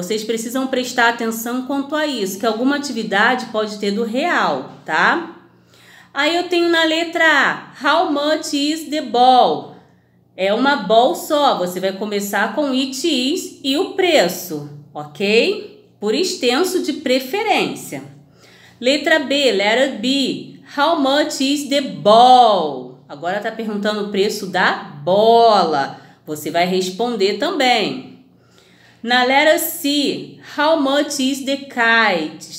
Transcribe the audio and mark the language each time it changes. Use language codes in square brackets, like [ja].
[pt] Vocês precisam prestar atenção quanto a isso, que alguma atividade pode ter do real, tá? Aí eu tenho na letra A, [en] how much is the ball? [pt] É uma bol só, você vai começar com [en] it is [pt] e o preço, ok? Por extenso de preferência. Letra B, [en] letter B, how much is the ball? [pt] Agora tá perguntando o preço da bola, você vai responder também. Na letra C, [en] how much is the kite?